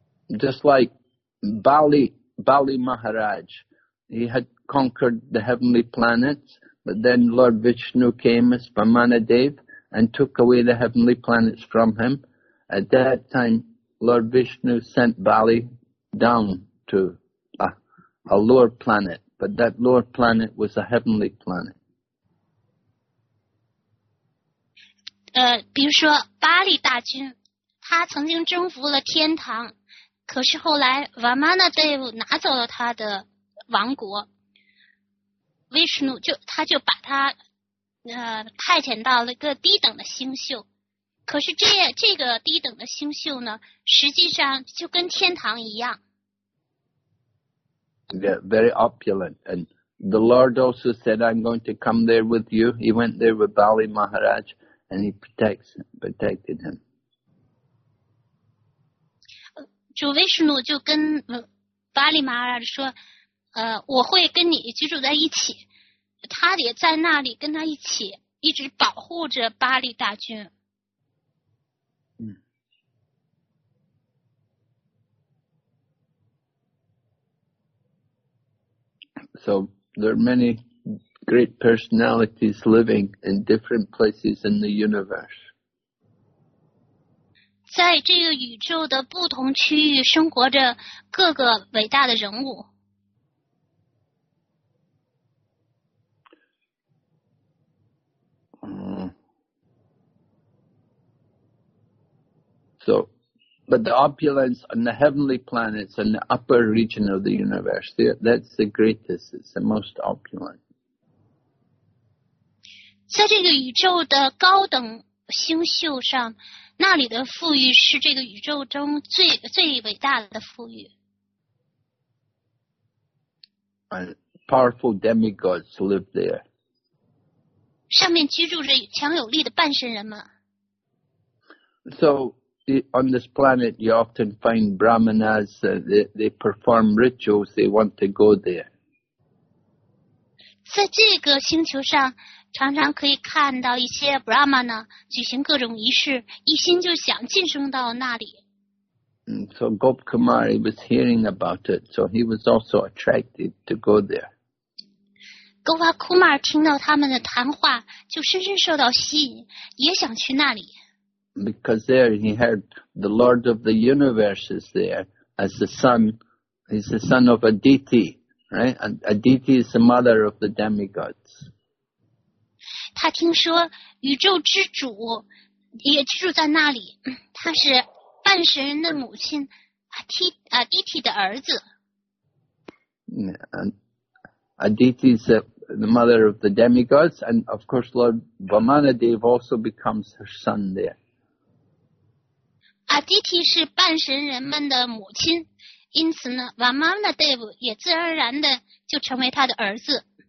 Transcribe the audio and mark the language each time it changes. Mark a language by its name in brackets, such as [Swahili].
[English] Just like Bali Maharaj, he had conquered the heavenly planets, but then Lord Vishnu came as Vamanadev and took away the heavenly planets from him. At that time, Lord Vishnu sent Bali down to a lower planet. But that lower planet was a heavenly planet. [Chinese] 比如说巴利大君，他曾经征服了天堂，可是后来 Vamanadev 拿走了他的王国， Vishnu 他就把他派遣到了一个低等的星宿，可是这个低等的星宿呢，实际上就跟天堂一样。 [English] Yeah, very opulent. And the Lord also said, I'm going to come there with you. He went there with Bali Maharaj and he protected him. [Chinese] 主 Vishnu 就跟 Bali Maharaj 说，我会跟你居住在一起。他也在那里跟他一起，一直保护着巴利大军。 [English] So there are many great personalities living in different places in the universe. [Chinese] 在这个宇宙的不同区域生活着各个伟大的人物。 [English] But the opulence on the heavenly planets and the upper region of the universe, that's the greatest, it's the most opulent. [Chinese] 在这个宇宙的高等星宿上，那里的富裕是这个宇宙中最伟大的富裕。 [English] And powerful demigods live there. [Chinese] 上面居住着强有力的半神人们。 [English] So,on this planet, you often find brahmanas, they perform rituals, they want to go there. [Chinese] 在这个星球上，常常可以看到一些 brahmana 举行各种仪式，一心就想晋升到那里。 [English] So Gop Kumar, he was hearing about it, so he was also attracted to go there. [Chinese] Gopa Kumar 听到他们的谈话，就深深受到吸引，也想去那里。 [English] Because there he heard the Lord of the universe is there as the son, he's the son of Aditi, right? And Aditi is the mother of the demigods. [Chinese] 他听说宇宙之主也居住在那里，他是半神人的母亲，Aditi的儿子。 [English] Yeah, and Aditi is the mother of the demigods, and of course Lord Vamanadeva also becomes her son there. Aditi is [Chinese] 半神人们的母亲，因此呢 Vamanadeva 也自然而然的就成为他的儿子。